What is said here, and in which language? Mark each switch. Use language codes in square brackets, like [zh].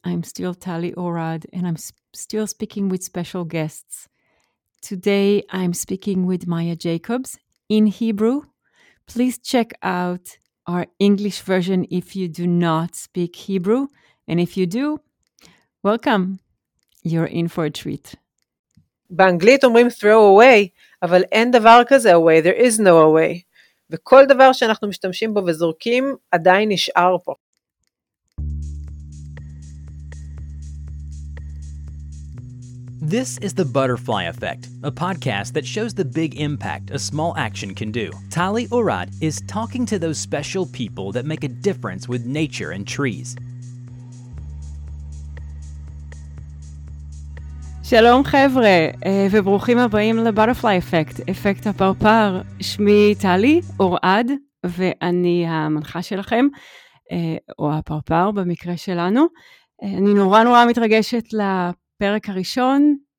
[en] I'm still Tali Orad and I'm still speaking with special guests. Today I'm speaking with Maya Jacobs in Hebrew. Please check out our English version if you do not speak Hebrew. And if you do, welcome. You're in for a treat. [he] באנגלית אומרים [en] throw away, [he] אבל אין דבר כזה away. [en] There is no away. [he] וכל דבר שאנחנו משתמשים בו וזורקים עדיין נשאר פה. [en] This is the Butterfly Effect, a podcast that shows the big impact a small action can do. Tali Orad is talking to those special people that make a difference with nature and trees. [he] שלום חבר'ה, וברוכים הבאים לבאטרפליי אפקט, אפקט הפרפר. שמי טלי אורעד, ואני המנחה שלכם, או הפרפר במקרה שלנו. אני נורא נורא מתרגשת לפרק הראשון.